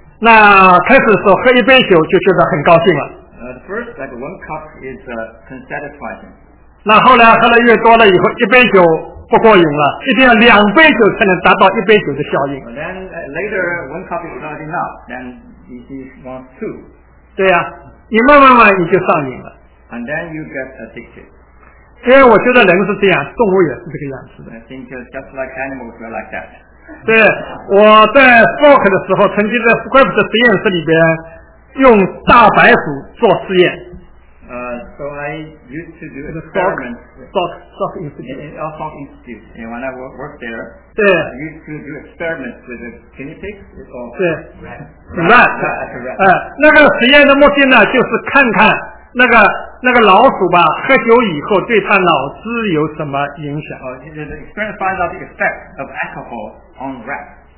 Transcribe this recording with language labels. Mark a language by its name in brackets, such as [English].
[Chinese] 那开始的时候喝一杯酒就觉得很高兴了。 [English] First, like one cup is satisfying. [Chinese] 那后来喝了越多了以后，一杯酒不过瘾了，一定要两杯酒才能达到一杯酒的效应。 [English] Then later, one cup is not enough. Then he wants two. [Chinese] 对呀、啊，你慢慢慢你就上瘾了。 [English] And then you get addicted. [Chinese] 因为我觉得人是这样，动物也是这个样子的。 [English] I think just like animals are like that. [Chinese] 对，我在 Fork 的时候，曾经在 Scripps 的实验室里边用大白鼠做实验。 [English] So I used to do experiments. Stock Institute. In Stock Institute. And when I worked there, [Chinese] 对 [English] I used to do experiments with a guinea pig. [Chinese] 对 [English] Rat. [Chinese] 那个实验的目的呢，就是看看那个老鼠吧，喝酒以后对他脑子有什么影响？ [English] The experiment finds out the effect of alcohol on rats.